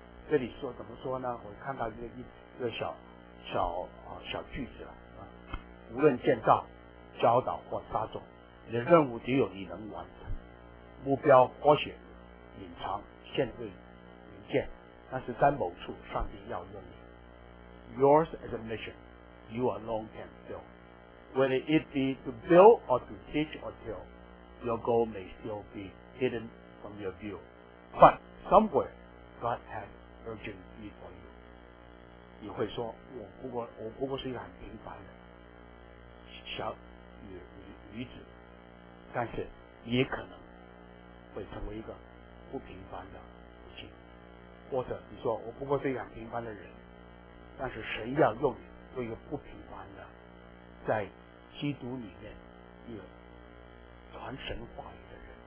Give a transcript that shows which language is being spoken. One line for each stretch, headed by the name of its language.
Chinese: 这里说怎么说呢？我看到一个小句子了啊，无论建造、教导或撒种，你的任务只有你能完成。目标或许隐藏、限制、明见，但是在某处，上帝要用你。
English: Yours is a mission, you alone can fill. Whether it be to build or to teach or tell, your goal may still be hidden from your view. But somewhere, God has urgent need for you.
Chinese: 你会说，我不过是一个很平凡的小女子，但是也可能会成为一个不平凡的母亲，或者你说我不过是一个很平凡的人，但是神要用你做一个不平凡的，在基督里面一个传神话语的人。